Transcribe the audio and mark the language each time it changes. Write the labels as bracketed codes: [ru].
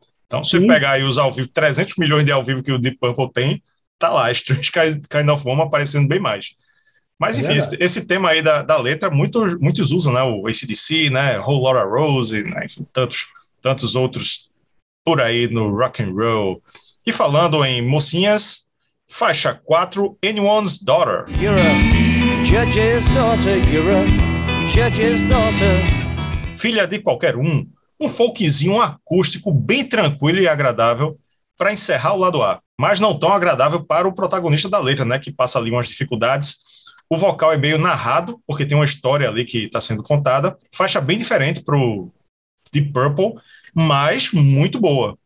[pt] Então, se pegar aí os ao vivo, 300 milhões de ao vivo que o Deep Purple tem, tá lá, Strange Kind of Woman aparecendo bem mais. Mas, enfim, esse tema aí da letra, muitos usam, né? O AC/DC, né? Whole Lotta Rose, né? Enfim, tantos outros por aí no rock and roll. E falando em mocinhas, faixa 4, Anyone's Daughter. [en] You're a judge's daughter, you're a judge's daughter. [pt] Filha de Qualquer Um, um folkzinho acústico bem tranquilo e agradável para encerrar o lado A, mas não tão agradável para o protagonista da letra, né, que passa ali umas dificuldades. O vocal é meio narrado, porque tem uma história ali que está sendo contada. Faixa bem diferente para o Deep Purple, mas muito boa.